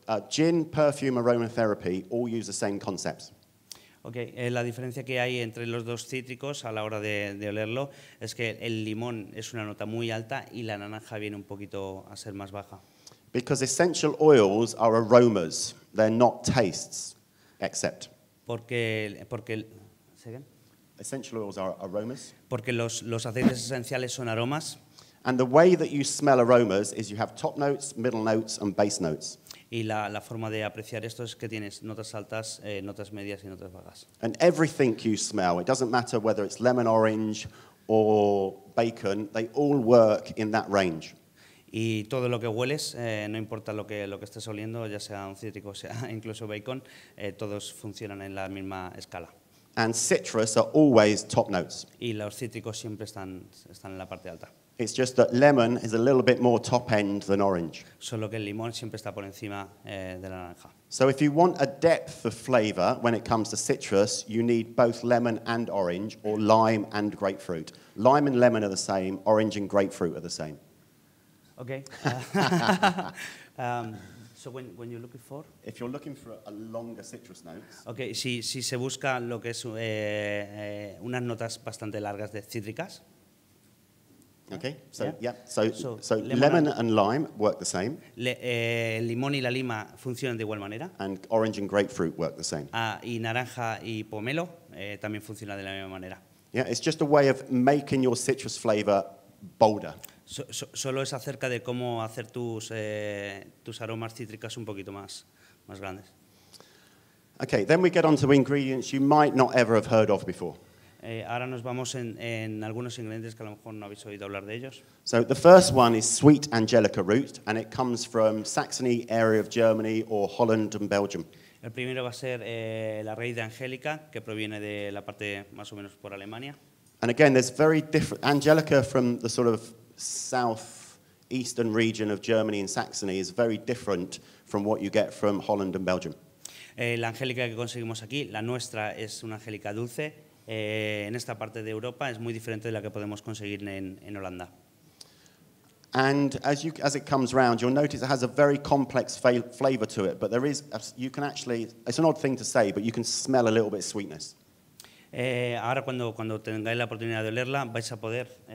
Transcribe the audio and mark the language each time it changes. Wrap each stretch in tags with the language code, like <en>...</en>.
<en>Gin, perfume, aromatherapy all use the same concepts.</en> <es>Okay, la diferencia que hay entre los dos cítricos a la hora de olerlo es que el limón es una nota muy alta y la naranja viene un poquito a ser más baja.</es> <en>Because essential oils are aromas, they're not tastes, except.</en> <es>Porque ¿siguen?</es> <en>Essential oils are aromas.</en> <es>Porque los aceites esenciales son aromas.</es> <en>And the way that you smell aromas is you have top notes, middle notes, and base notes.</en> <es>Y la forma de apreciar esto es que tienes notas altas, notas medias y notas bajas.</es> <en>And everything you smell, it doesn't matter whether it's lemon, orange, or bacon, they all work in that range.</en> <es>Y todo lo que hueles, no importa lo que estés oliendo, ya sea un cítrico, sea incluso bacon, todos funcionan en la misma escala.</es> <en>And citrus are always top notes.</en> <es>Y los cítricos siempre están en la parte alta.</es> <en>It's just that lemon is a little bit more top-end than orange.</en> <es>Solo que el limón siempre está por encima de la naranja.</es> <en>So if you want a depth of flavor when it comes to citrus, you need both lemon and orange, or lime and grapefruit. Lime and lemon are the same, orange and grapefruit are the same. Okay. So when you're looking for? If you're looking for a longer citrus note.</en> <es>Okay, si se busca lo que es unas notas bastante largas de cítricas.</es> <en>Okay, so so lemon and lime work the same.</en> <es>Limón y la lima funcionan de igual manera.</es> <en>And orange and grapefruit work the same.</en> <es>Y naranja y pomelo también funcionan de la misma manera.</es> <en>Yeah, it's just a way of making your citrus flavor bolder.</en> <es>Solo es acerca de cómo hacer tus aromas cítricas un poquito más grandes.</es> <en>Okay, then we get on to ingredients you might not ever have heard of before.</en> <es>Ahora nos vamos en algunos ingredientes que a lo mejor no habéis oído hablar de ellos.</es> <en>So the first one is sweet angelica root, and it comes from Saxony area of Germany or Holland and Belgium.</en> <es>El primero va a ser la raíz de angélica, que proviene de la parte más o menos por Alemania.</es> <en>And again, there's very different angelica from the sort of south-eastern region of Germany and Saxony is very different from what you get from Holland and Belgium.</en> <es>La angélica que conseguimos aquí, la nuestra, es una angélica dulce. En esta parte de Europa es muy diferente de la que podemos conseguir en Holanda.</es> <en>And as it comes round, you'll notice it has a very complex flavor to it, but there is, you can actually, it's an odd thing to say, but you can smell a little bit of sweetness.</en> <es>Ahora cuando tengáis la oportunidad de olerla, vais a poder,</es>